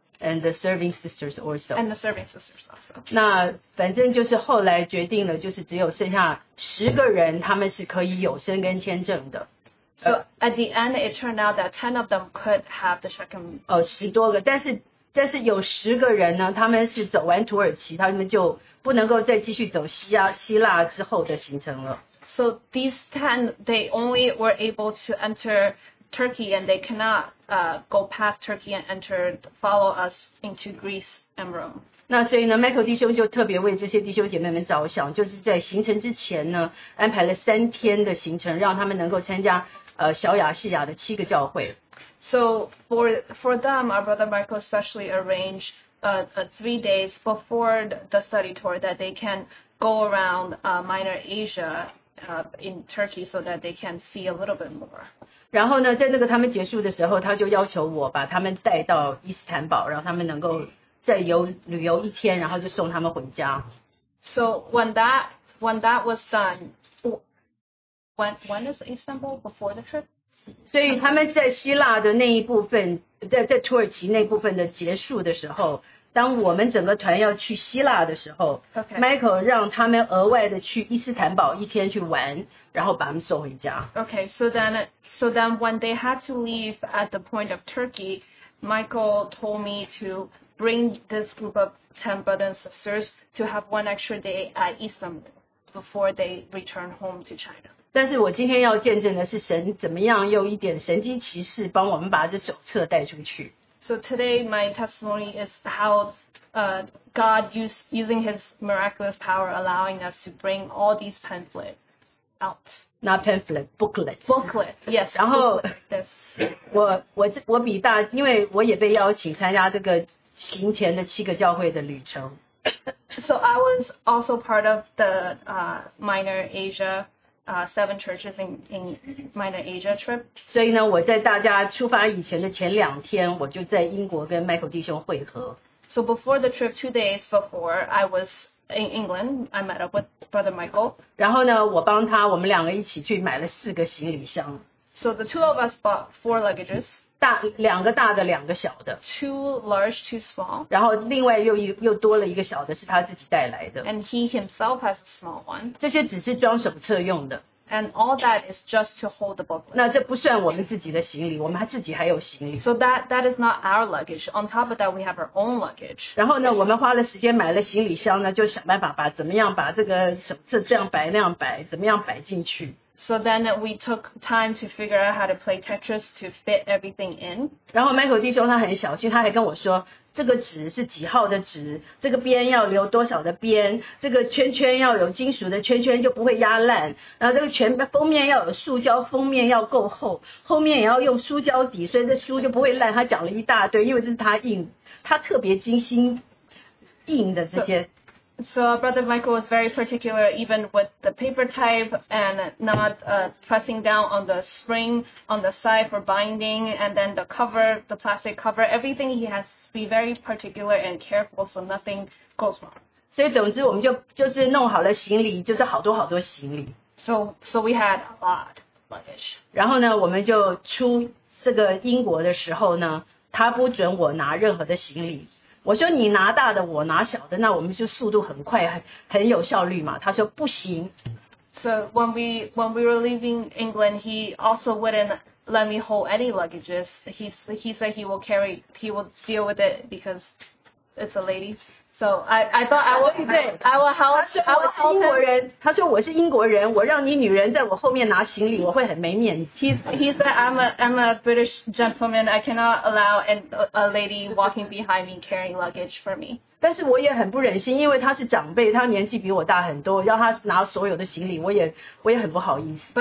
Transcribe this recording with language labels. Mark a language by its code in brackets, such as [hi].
[en] And the serving sisters also. And the serving sisters also. [zh] 那反正就是后来决定了，就是只有剩下10个人，他们是可以有申根签证的。 [en] So at the end, it turned out that 10 of them could have the Schengen. [zh] 10多个，但是有10个人呢，他们是走完土耳其，他们就不能够再继续走希腊之后的行程了。 [en] So these 10, they only were able to enter Turkey, and they cannot go past Turkey and follow us into Greece and Rome. [zh] 那所以呢 ，Michael 弟兄就特别为这些弟兄姐妹们着想，就是在行程之前呢，安排了3天的行程，让他们能够参加小亚细亚的7个教会。 [en] So for them, our brother Michael specially arranged three days before the study tour that they can go around Minor Asia in Turkey so that they can see a little bit more. [zh] 然后呢，在那个他们结束的时候，他就要求我把他们带到伊斯坦堡，让他们能够再旅游一天，然后就送他们回家。 [en] So when that was done, when is Istanbul before the trip? [zh] 所以他们在希腊的那一部分，在土耳其那部分的结束的时候，当我们整个团要去希腊的时候、 okay. Michael 让他们额外的去伊斯坦堡一天去玩然后把他们送回家 [en] Okay, so then when they had to leave at the point of Turkey, Michael told me to bring this group of 10 brothers and sisters to have one extra day at Istanbul before they return home to China. [zh] 但是我今天要见证的是神怎么样用一点神机骑士帮我们把这手册带出去。 [en] So today my testimony is how God using his miraculous power allowing us to bring all these pamphlets out. Not pamphlet, booklet. Booklet, yes. [zh] 然后 [en] booklet, yes. [zh] 我比大因为我也被邀请参加这个行前的七个教会的旅程。 [en] So I was also part of the Minor Asia, seven churches in Minor Asia trip. [zh] 所以呢，我在大家出发以前的前两天，我就在英国跟 Michael 弟兄会合。 [en] So before the trip, 2 days before, I was in England. I met up with Brother Michael. [zh] 然后呢，我帮他，我们两个一起去买了四个行李箱。 [en] So the two of us bought four luggages. [zh] 大两个大的，两个小的。 [en] Two large, two small. [zh] 然后另外又多了一个小的，是他自己带来的。 [en] And he himself has a small one. [zh] 这些只是装手册用的。 [en] And all that is just to hold the booklet. [zh] 那这不算我们自己的行李，我们自己还有行李。 [en] So that is not our luggage. On top of that, we have our own luggage. [zh] 然后呢，我们花了时间买了行李箱呢，就想办法把怎么样把这个手册这样摆那样摆，怎么样摆进去。 [en] So then we took time to figure out how to play Tetris to fit everything in. [zh] 然后 Michael 弟兄他很小心，他还跟我说，这个纸是几号的纸，这个边要留多少的边，这个圈圈要有金属的圈圈就不会压烂，然后这个全封面要有塑胶，封面要够厚，后面也要用塑胶底，所以这书就不会烂。他讲了一大堆，因为这是他印，他特别精心印的这些。 [en] So Brother Michael was very particular even with the paper type and not pressing down on the spring on the side for binding and then the cover, the plastic cover, everything he has to be very particular and careful so nothing goes wrong. [zh] 所以总之我们就是弄好了行李就是好多好多行李。 [en] So we had a lot of luggage. [zh] 然后呢我们就出这个英国的时候呢他不准我拿任何的行李。我说你拿大的，我拿小的，那我们就速度很快，很有效率嘛。他说不行。 [en] So when we were leaving England, he also wouldn't let me hold any luggages. He said he will deal with it because it's a lady. So I thought I will help. [zh] 他说我是英国人。他说我是英国人，我让你女人在我后面拿行李，我会很没面子。 [en] He said I'm a British gentleman. I cannot allow a lady walking behind me carrying luggage for me. [zh] 但是我也很不忍心，因为他是长辈，他年纪比我大很多，要他拿所有的行李，我也很不好意思。